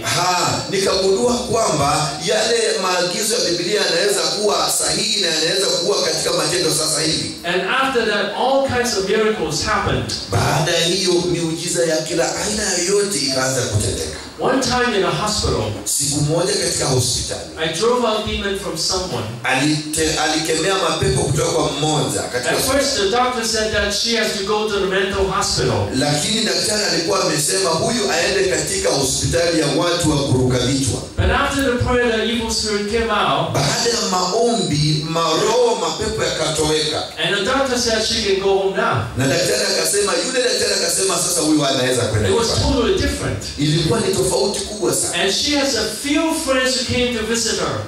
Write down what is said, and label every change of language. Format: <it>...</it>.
<sw>Ha, nikagundua kwamba yale maagizo ya Biblia yanaweza kuwa sahihi na yanaweza kuwa katika matendo sasa hivi.</sw> <en>And after that all kinds of miracles happened.</en> <sw>Baada hiyo miujiza ya kila aina yote ikaanza kutendeka.</sw> <en>One time in a hospital.</en> <sw>Siku moja katika hospitali.</sw> <en>I drove out demon from someone.</en> <sw>Alikemea mapepo kutoka kwa mmoja katika hospitali.</sw> <en>At first the doctor said that she has to go to the mental hospital.</en> <sw>Lakini daktari alikuwa amesema huyu aende katika hospitali ya watu wa kuruka vichwa.</sw> <en>But after the prayer the evil spirit came out.</en> <sw>Baada ya maombi maroho mapepo yakatoweka.</sw> <en>And the doctor said she can go home now.</en> <sw>Na daktari akasema yule daktari akasema sasa huyu anaweza kwenda.</sw> <en>It was totally different.</en> <sw>Ilikuwa tofauti kubwa sana.</sw> <en>And she has a few friends who came to visit her.</en>